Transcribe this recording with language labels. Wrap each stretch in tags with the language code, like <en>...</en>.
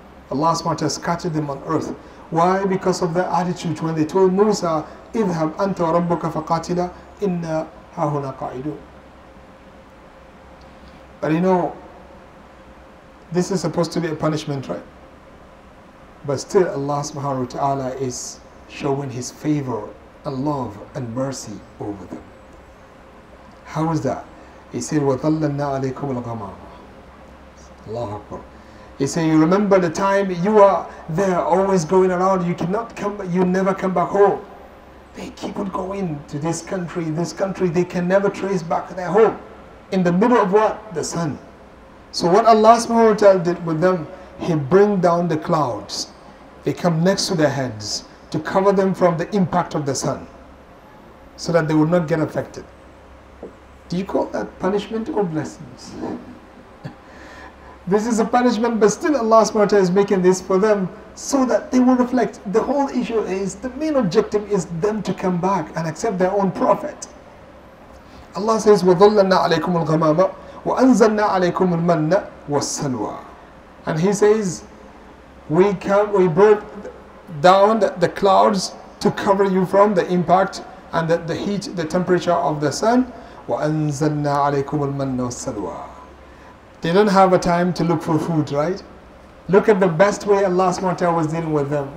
<en>Allah subhanahu wa ta'ala scattered them on earth. Why? Because of their attitude when they told Musa,</en> <ar>idhab anta wa rabbuka faqatila inna hahuna qa'idu.</ar> <en>But you know, this is supposed to be a punishment, right? But still Allah subhanahu wa ta'ala is showing His favor and love and mercy over them. How is that? He said,</en> <ar>وَظَلَّنَّا عَلَيْكُمُ الْغَمَامَ. Allahu Akbar.</ar> <en>He said, you remember the time you are there always going around, you cannot come, you never come back home. They keep on going to this country, they can never trace back their home. In the middle of what? The sun. So what Allah subhanahu wa ta'ala did with them, He bring down the clouds. They come next to their heads to cover them from the impact of the sun so that they would not get affected. Do you call that punishment or blessings? This is a punishment, but still Allah subhanahu wa ta'ala is making this for them so that they will reflect. The whole issue is, the main objective is them to come back and accept their own prophet. Allah says,</en> <ar>وَظَلَّنَّا عَلَيْكُمُ الْغَمَامَ وَأَنزَلْنَا عَلَيْكُمُ الْمَنَّ وَالسَّلْوَى.</ar> <en>And He says, we brought down the clouds to cover you from the impact and the heat, the temperature of the sun.</en> <ar>وَأَنزَلْنَا عَلَيْكُمُ الْمَنَّ وَالسَّلْوَى.</ar> <en>They don't have a time to look for food, right? Look at the best way Allah subhanahu wa ta'ala was dealing with them.</en>